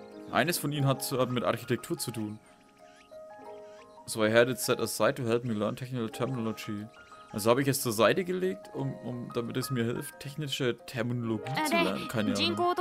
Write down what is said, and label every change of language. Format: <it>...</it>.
<de>Eines von ihnen hat mit Architektur zu tun.</de> <en>So I had it set aside to help me learn technical terminology.</en> <de>Also habe ich es zur Seite gelegt, damit es mir hilft, technische Terminologie zu lernen. Keine Ahnung.</de>